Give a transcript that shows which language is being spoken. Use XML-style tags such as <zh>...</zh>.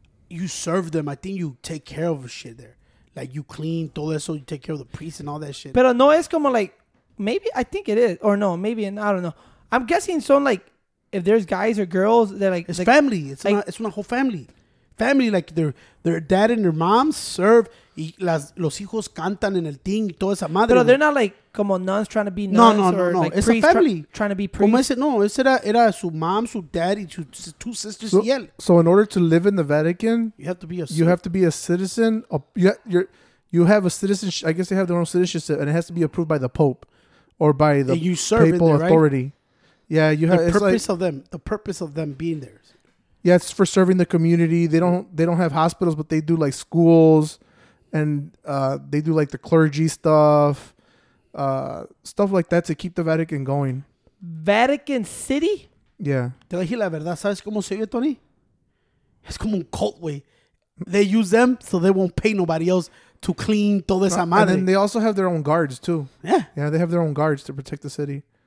<en>You serve them, I think you take care of shit there. Like, you clean,</en> <es>todo eso,</es> <en>you take care of the priests and all that shit.</en> <es>Pero no es como,</es> <en>like, maybe, I think it is. Or no, maybe, and I don't know. I'm guessing some, like, if there's guys or girls, they're like... It's family. It's like, it's una whole family. Family, like, their dad and their mom serve.</en> <es>Y los hijos cantan en el ting, toda esa madre.</es> <en>Pero they're not, like, como nuns trying to be nuns. No. Like, it's a family. Trying to be priests.</en> <es>Como ese, no, ese era su mom, su dad, y sus</es> <en>two sisters, so,</en> <es>y él.</es> <en>So in order to live in the Vatican... You have to be a citizen. You have a citizenship. I guess they have their own citizenship, and it has to be approved by the Pope. Or by the papal authority. Yeah, you have... The purpose of them being there. Yeah, it's for serving the community. They don't have hospitals, but they do like schools, and they do like the clergy stuff, stuff like that to keep the Vatican going. Vatican City? Yeah.</en> <es>Te dije la verdad, ¿sabes cómo se oye, Tony? Es como un cult way.</es> <en>They use them so they won't pay nobody else to clean</en> <es>toda esa madre.</es> <en>And then they also have their own guards, too. Yeah. Yeah, they have their own guards to protect the city.</en>